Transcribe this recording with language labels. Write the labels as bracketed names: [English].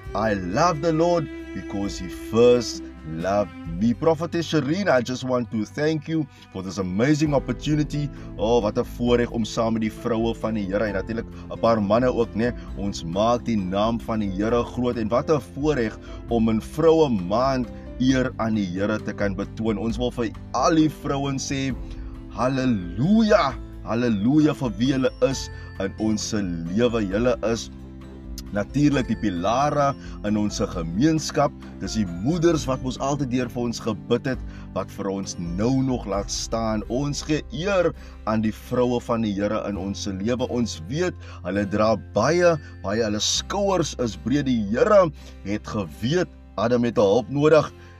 [English] I love the Lord because he first loved me. Prophetess Shireen, I just want to thank you for this amazing opportunity. [Afrikaans] Oh, wat 'n voorreg om saam met die vroue van die Here, en natuurlik 'n paar manne ook, né? Ons maak die naam van die Here groot, en wat 'n voorreg om in vroue maand eer aan die Here te kan betoon. Ons wil vir al die vrouens sê, halleluja, halleluja vir wie julle is in ons se lewe. Julle is Natuurlik die pilare in ons gemeenskap, dis die moeders wat ons altyd deur vir ons gebid het, wat vir ons nou nog laat staan. Ons geëer aan die vroue van die Here in ons lewe. Ons weet, hulle dra baie, hulle skouers is breed. Die Here het geweet, Adam het hulp nodig.